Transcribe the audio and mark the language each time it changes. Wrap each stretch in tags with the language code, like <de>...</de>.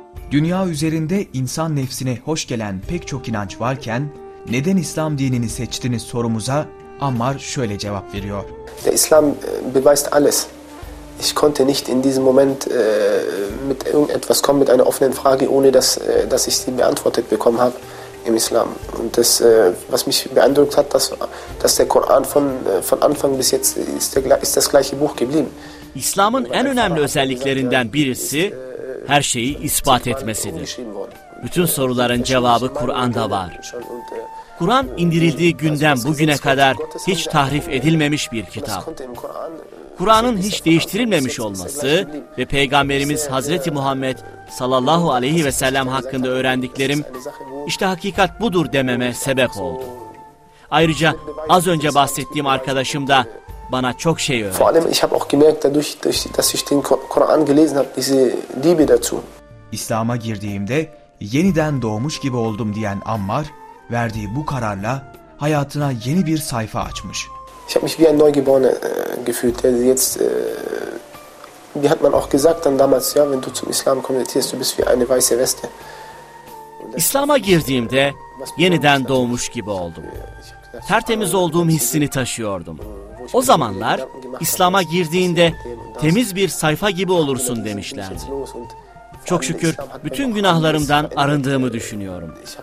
<tr>Dünya üzerinde insan nefsine hoş gelen pek çok inanç varken neden İslam dinini seçtiğiniz sorumuza Ammar şöyle cevap veriyor.</tr> <de>Der İslam beweist alles. Ich konnte nicht in diesem Moment mit irgendetwas kommen mit einer offenen Frage ohne dass ich sie beantwortet bekommen habe im Islam. Und das was mich beeindruckt hat, dass der Koran von Anfang bis jetzt ist das gleiche Buch geblieben.</de> <tr>İslam'ın en önemli özelliklerinden birisi her şeyi ispat etmesidir. Bütün soruların cevabı Kur'an'da var. Kur'an indirildiği günden bugüne kadar hiç tahrif edilmemiş bir kitap. Kur'an'ın hiç değiştirilmemiş olması ve Peygamberimiz Hazreti Muhammed sallallahu aleyhi ve sellem hakkında öğrendiklerim işte hakikat budur dememe sebep oldu. Ayrıca az önce bahsettiğim arkadaşım da bana çok şey öğretti.</tr> <de>Vor allem ich habe auch gemerkt dadurch dass ich den Koran gelesen habe diese Liebe dazu.</de> <tr>İslam'a girdiğimde yeniden doğmuş gibi oldum diyen Ammar verdiği bu kararla hayatına yeni bir sayfa açmış.</tr> <de>Ich habe mich wie ein Neugeborener gefühlt. Jetzt wie hat man auch gesagt dann damals ja wenn du zum Islam konvertierst du bist wie eine weiße Weste.</de> <tr>İslam'a girdiğimde yeniden doğmuş gibi oldum. Tertemiz olduğum hissini taşıyordum. O zamanlar İslam'a girdiğinde temiz bir sayfa gibi olursun demişlerdi. Çok şükür bütün günahlarımdan arındığımı düşünüyorum.</tr>